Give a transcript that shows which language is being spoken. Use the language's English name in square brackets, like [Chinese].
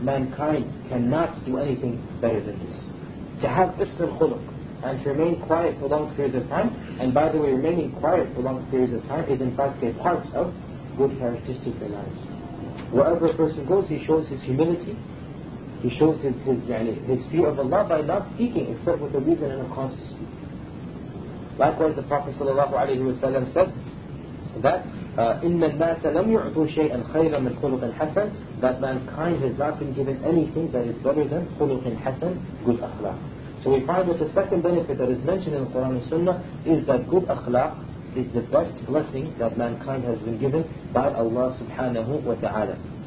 [English] Mankind cannot do anything better than this. To have istil khuluq and to remain quiet for long periods of time, and by the way, remaining quiet for long periods of time is in fact a part of good characteristics in lives. Wherever a person goes, he shows his humility, he shows his fear of Allah by not speaking except with a reason and a cause to speak. Likewise, the Prophet ﷺ said, that [Arabic] إِنَّ النَّاسَ لَمْ يُعْطُوا شَيْئًا خَيْرًا مِنْ خُلُقٍ حَسَنٍ. [English] That mankind has not been given anything that is better than [Arabic] خُلُقٍ حَسَنٍ, [English] good akhlaq. So we find that the second benefit that is mentioned in the Quran and Sunnah is that good akhlaq is the best blessing that mankind has been given by Allah subhanahu wa ta'ala.